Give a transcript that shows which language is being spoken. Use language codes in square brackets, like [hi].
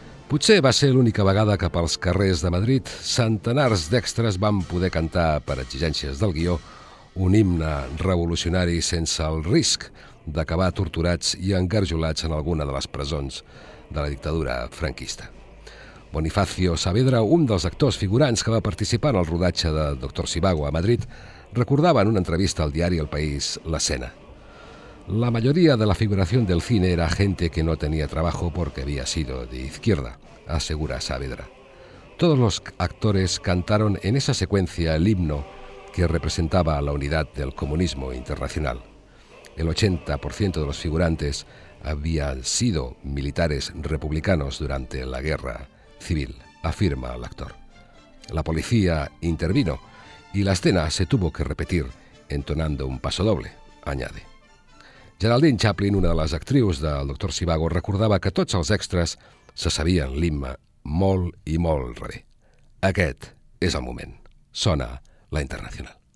[ca] Potser va ser l'única vegada que pels carrers de Madrid centenars d'extres van poder cantar, per exigències del guió, un himne revolucionari sense el risc d'acabar torturats i engarjolats en alguna de les presons de la dictadura franquista. Bonifacio Saavedra, un dels actors figurants que va participar en el rodatge de Doctor Zhivago a Madrid, recordava en una entrevista al diari El País l'escena. [es] La mayoría de la figuración del cine era gente que no tenía trabajo porque había sido de izquierda, asegura Saavedra. Todos los actores cantaron en esa secuencia el himno que representaba la unidad del comunismo internacional. El 80% de los figurantes habían sido militares republicanos durante la guerra civil, afirma el actor. La policía intervino y la escena se tuvo que repetir entonando un paso doble, añade. [ca] Geraldine Chaplin, una de les actrius del Doctor Zhivago, recordava que tots els extras se sabien l'himne molt i molt bé. Aquest és el moment. Sona la Internacional.